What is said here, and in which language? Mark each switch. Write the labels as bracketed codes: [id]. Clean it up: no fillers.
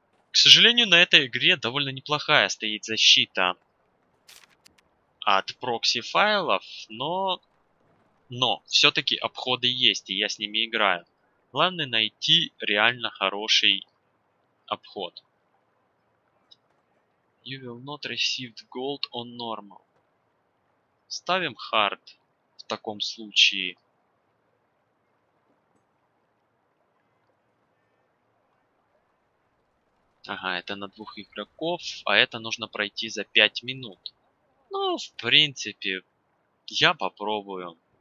[ru] К сожалению, на этой игре довольно неплохая стоит защита от прокси-файлов, но все-таки обходы есть, и я с ними играю. Главное найти реально хороший обход. [en] You will not receive gold on normal. [ru] Ставим хард в таком случае. Ага, это на двух игроков, а это нужно пройти за 5 минут. Ну, в принципе, я попробую.